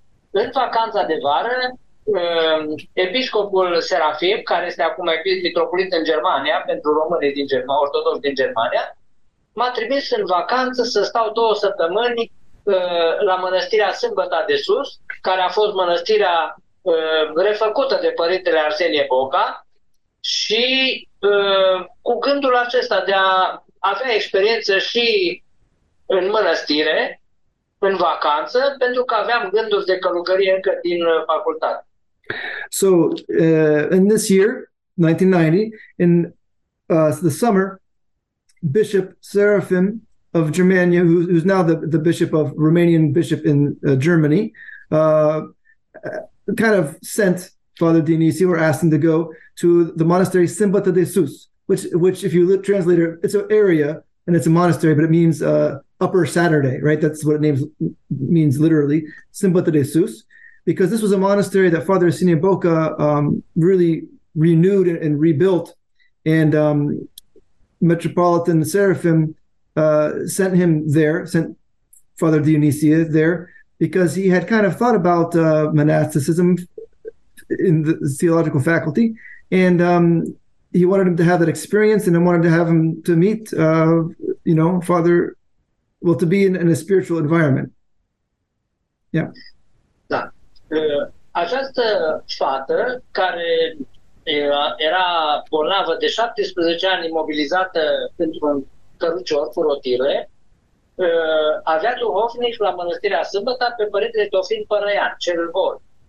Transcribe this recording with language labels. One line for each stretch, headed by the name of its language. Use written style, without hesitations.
Romanian: În vacanța de vară, episcopul Serafim, care este acum mitropolit în Germania, pentru românii din Germania, ortodoxi din Germania, m-a trimis în vacanță să stau 2 săptămâni la mănăstirea Sâmbăta de Sus, care a fost mănăstirea refăcută de părintele Arsenie Boca, și cu gândul acesta de a avea experiență și în mănăstire, în vacanță, pentru că aveam gânduri de călugărie încă din facultate.
English: So, in this year, 1990, in the summer, Bishop Serafim of Germania, who's now the bishop of Romanian bishop in Germany, kind of sent Father Dionisio or asked him to go to the monastery Sâmbătă de Sus, which if you translate it, it's an area and it's a monastery, but it means Upper Saturday, right? That's what it means literally, Sâmbătă de Sus, because this was a monastery that Father Arsenie Boca really renewed and rebuilt, and Metropolitan Serafim sent him there, sent Father Dionysia there, because he had kind of thought about monasticism in the theological faculty, and he wanted him to have that experience, and I wanted to have him to meet, Father, to be in a spiritual environment. Yeah.
Romanian: Da. Această fată care era bolnavă de 17 ani, imobilizată într-un cărucior cu rotile, avea duhovnic la mănăstirea Sâmbăta pe părintele Teofil Părăian, cel bol.